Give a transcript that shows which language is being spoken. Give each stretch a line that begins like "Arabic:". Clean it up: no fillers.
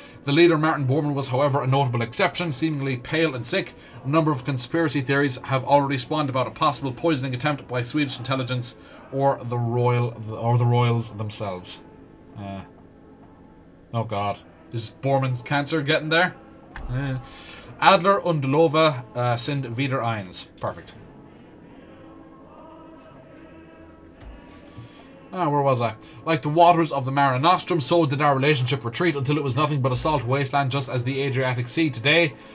English: The leader, Martin Bormann, was, however, a notable exception, seemingly pale and sick. A number of conspiracy theories have already spawned about a possible poisoning attempt by Swedish intelligence or the royals themselves." Oh God, is Bormann's cancer getting there?
German: "Adler und Lova sind wieder eins."
English: Perfect. Like the waters of the Mare Nostrum, so did our relationship retreat until it was nothing but a salt wasteland, just as the Adriatic Sea today.